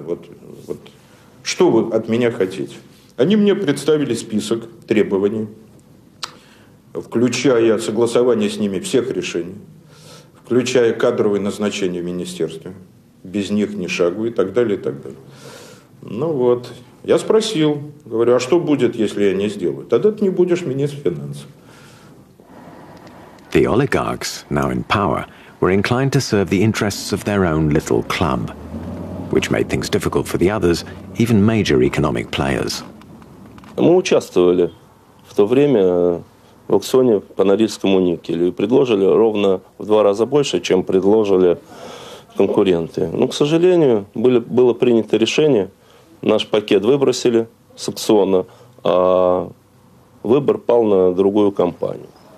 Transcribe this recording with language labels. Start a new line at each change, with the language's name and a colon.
Russian: Вот, что вы от меня хотите? Они мне представили список требований, включая согласование с ними всех решений, включая кадровые назначения в министерстве. Без них ни шагу и так далее, и так далее. Ну вот, я спросил, говорю, а что будет, если я не сделаю? Тогда ты не будешь министром финансов.
English: The oligarchs, now in power, were inclined to serve the interests of their own little club, which made things difficult for the others, even major economic players.
Russian: Мы участвовали в то время в аукционе по Норильскому никелю и предложили ровно в два раза больше, чем предложили конкуренты. Но, к сожалению, было принято решение, наш пакет выбросили с аукциона, а выбор пал на другую компанию.